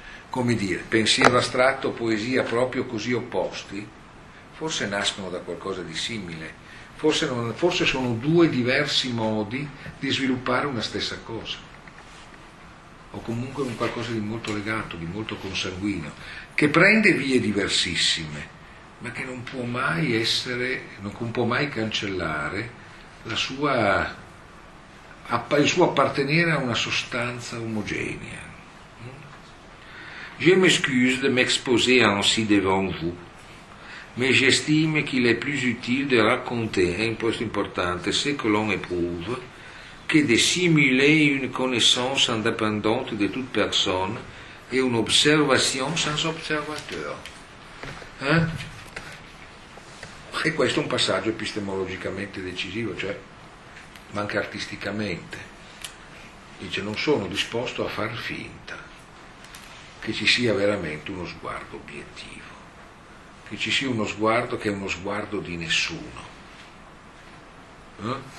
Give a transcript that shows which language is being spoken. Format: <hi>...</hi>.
<it>Come dire, pensiero astratto, poesia proprio così opposti, forse nascono da qualcosa di simile, forse sono due diversi modi di sviluppare una stessa cosa, o comunque un qualcosa di molto legato, di molto consanguineo, che prende vie diversissime, ma che non può mai essere, non può mai cancellare il suo appartenere a una sostanza omogenea.</it> <fr>Je m'excuse de m'exposer ainsi devant vous, mais j'estime qu'il est plus utile de raconter,</fr> <it>è un posto importante,</it> <fr>ce que l'on éprouve, que de simuler une connaissance indépendante de toute personne et une observation sans observateur. Eh?</fr> <it>E questo è un passaggio epistemologicamente decisivo, cioè, ma anche artisticamente. Dice, non sono disposto a far finta che ci sia veramente uno sguardo obiettivo, che ci sia uno sguardo che è uno sguardo di nessuno.</it>